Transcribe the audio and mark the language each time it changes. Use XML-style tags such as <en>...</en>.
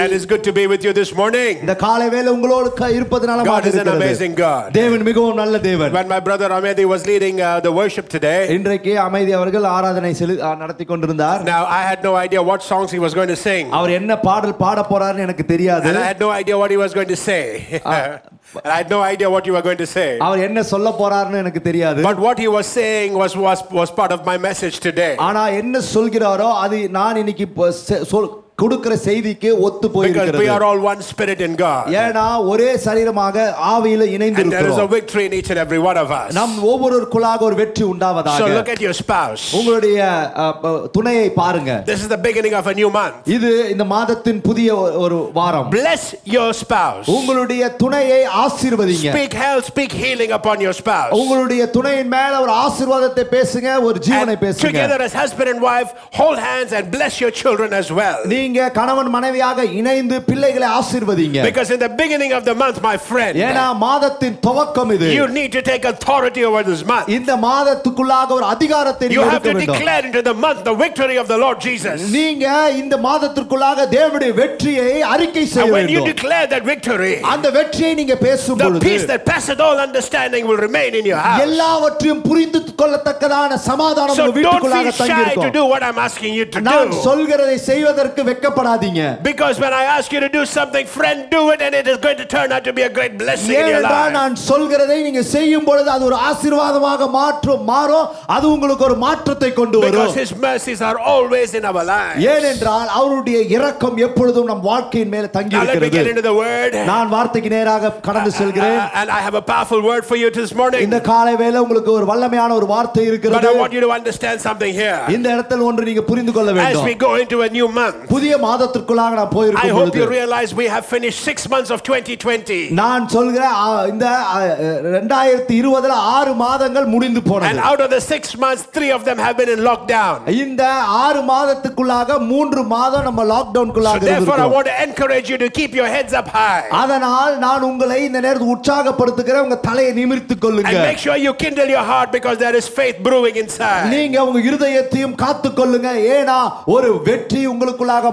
<en>And it's good to be with you this morning.</en> <ta>இந்த காலை வேளை உங்களோடு இருப்பதனால மகிழ்கிறேன்.</ta> <en>God is an amazing God.</en> <ta>தேவன் மிகவும் நல்ல தேவன்.</ta> <en>When my brother Amedi was leading the worship today.</en> <ta>இன்றைக்கு அமைதி அவர்கள் ஆராதனை நடத்தி கொண்டிருந்தார்.</ta> <en>Now I had no idea what songs he was going to sing.</en> <ta>அவர் என்ன பாடல் பாட போறார்னு எனக்கு தெரியாது.</ta> <en>And I had no idea what he was going to say. I had no idea what you were going to say.</en> <ta>அவர் என்ன சொல்ல போறார்னு எனக்கு தெரியாது.</ta> <en>But what he was saying was part of my message today.</en> <ta>ஆனா என்ன சொல்கிறாரோ அது நான் இன்னைக்கு கொடுக்கிற செய்திக்கு ஒத்து போயிருக்கிறது.</ta> <en>Because we are all one spirit in God.</en> <ta>ஏனா ஒரே சரீரமாக ஆவியில் இணைந்திருக்கிறோம்.</ta> <en>And there is a victory in each and every one of us.</en> <ta>நம் ஒவ்வொருவருக்குள்ளாக ஒரு வெற்றி உண்டாவதாக.</ta> <en>So look at your spouse.</en> <ta>உங்களுடைய துணையை பாருங்க.</ta> <en>This is the beginning of a new month.</en> <ta>இது இந்த மாதத்தின் புதிய ஒரு வாரம்.</ta> <en>Bless your spouse.</en> <ta>உங்களுடைய துணையை ஆசீர்வதிங்க.</ta> <en>Speak health, speak healing upon your spouse.</en> <ta>உங்களுடைய துணையின் மேல் ஒரு ஆசீர்வாதத்தை பேசுங்க, ஒரு ஜீவனை பேசுங்க.</ta> <en>Together as husband and wife, hold hands and bless your children as well.</en> <ta>நீங்க கணவன் மனைவியாக இணைந்து பிள்ளைகளை ஆசீர்வதிங்க.</ta> <en>Because in the beginning of the month my friend.</en> <ta>ஏனா மாதத்தின் துவக்கம் இது.</ta> <en>You need to take authority over this month.</en> <ta>இந்த மாதத்துக்குள்ளாக ஒரு அதிகாரத்தை நீங்க எடுக்க வேண்டும்.</ta> <en>You have to declare into the month the victory of the Lord Jesus.</en> <ta>நீங்க இந்த மாதத்துக்குள்ளாக தேவனுடைய வெற்றியை அறிக்கை செய்ய வேண்டும்.</ta> <en>And when you declare that victory.</en> <ta>அந்த வெற்றியை நீங்க பேசும் பொழுது</ta> <en>the peace that passeth all understanding will remain in your house.</en> <ta>எல்லாவற்றையும் புரிந்துகொள்ளத்தக்கதான சமாதானம் உங்க வீட்டுக்குள்ளாக தங்கி இருக்கும்.</ta> <en>So don't be shy to do what I'm asking you to do.</en> <ta>நான் சொல்கிறதை செய்வதற்கு வெக்கப்படாதீங்க.</ta> <en>Because when I ask you to do something friend do it and it is going to turn out to be a great blessing in your life.</en> <ta>ஏன்னா நான் சொல்கிறதை நீங்க செய்யும் பொழுது அது ஒரு ஆசீர்வாதமாக மாறும் அது உங்களுக்கு ஒரு மாற்றத்தை கொண்டு வரும்.</ta> <en>Because his mercies are always in our lives.</en> <ta>ஏனென்றால் அவருடைய இரக்கம் எப்பொழுதும் நம் வாழ்க்கையின் மேல் தங்கி இருக்கிறது.</ta> <en>Now let me get into the word.</en> <ta>நான் வார்த்தைக்கு நேராக கடந்து செல்கிறேன்.</ta> <en>And I have a powerful word for you this morning.</en> <ta>இந்த காலை வேளை உங்களுக்கு ஒரு வல்லமையான ஒரு வார்த்தை இருக்கிறது.</ta> <en>But I want you to understand something here.</en> <ta>இந்த இடத்தில் ஒன்று நீங்க புரிந்துகொள்ள வேண்டும்.</ta> <en>As we go into a new month.</en> <ta>புதிய மாதத்துக்குள்ளாக நான் போயிருக்கும் போது</ta> <en>I hope you realize we have finished 6 months of 2020.</en> <ta>நான் சொல்றேன் இந்த 2020ல 6 மாதங்கள் முடிந்து போனது.</ta> <en>And out of the 6 months 3 of them have been in lockdown.</en> <ta>இந்த 6 மாதத்துக்குள்ளாக 3 மாதம் நம்ம லாக்டவுன்க்குள்ளாக இருந்துருக்கோம்.</ta> <en>Therefore I want to encourage you to keep your heads up high.</en> <ta>அதனால் நான் உங்களை இந்த நேரத்து உற்சாகப்படுத்துறேன் உங்க தலையை நிமிர்த்தி கொள்ளுங்க.</ta> <en>And make sure you kindle your heart because there is faith brewing inside.</en> <ta>நீங்க உங்க இதயத்தையும் காத்து கொள்ளுங்க ஏனா ஒரு வெற்றி உங்களுக்கு</ta>